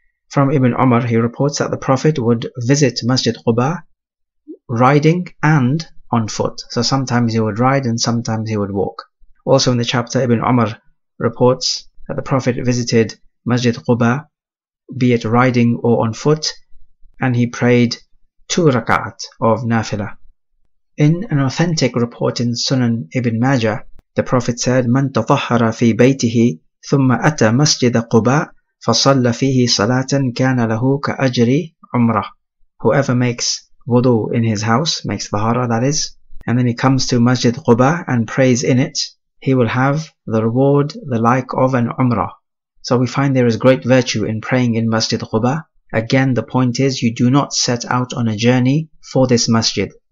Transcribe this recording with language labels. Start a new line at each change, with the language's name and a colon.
English: From Ibn Umar, he reports that the Prophet would visit Masjid Quba riding and on foot. So sometimes he would ride and sometimes he would walk. Also in the chapter, Ibn Umar reports that the Prophet visited Masjid Quba, be it riding or on foot, and he prayed 2 rak'at of nafilah. In an authentic report in Sunan Ibn Majah, the Prophet said,
Arabic: مَنْ تَطَهَّرَ فِي بَيْتِهِ ثُمَّ أَتَى مَسْجِدَ قُبَى فَصَلَّ فِيهِ صَلَاةً كَانَ لَهُ كَأَجْرِ عُمْرَةً.
English: Whoever makes wudu in his house, makes tahara that is, and then he comes to Masjid Quba and prays in it, he will have the reward the like of an umrah. So we find there is great virtue in praying in Masjid Quba. Again, the point is you do not set out on a journey for this masjid.